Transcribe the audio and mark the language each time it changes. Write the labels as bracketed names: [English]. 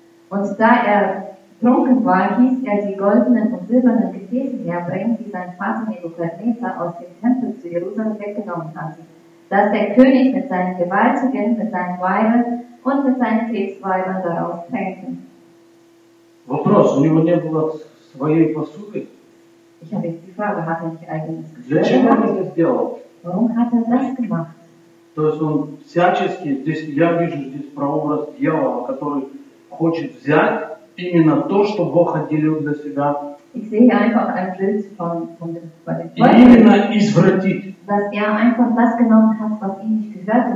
[German] Und da er trunken war, hieß er die goldenen und silbernen Gefäße herbringen, die sein Vater Nebukadnezar aus dem Tempel zu Jerusalem weggenommen hatte, dass der König mit seinen Gewaltigen, mit seinen Weibern und mit seinen Kriegsweibern daraus tränken. [Russian] Вопрос, у него не было своей посуды? [German] Ich habe jetzt die Frage, hat er nicht eigenes Geschäft? Warum hat er das gemacht? [Russian] То есть он всячески, здесь я вижу здесь прообраз дьявола, который хочет взять именно то, что Бог отделил для себя. [German] Ich sehe einfach ein Bild von dem Teufel. [Russian] И именно извратить. [German] Dass er einfach das genommen hat, was ihm nicht gehört.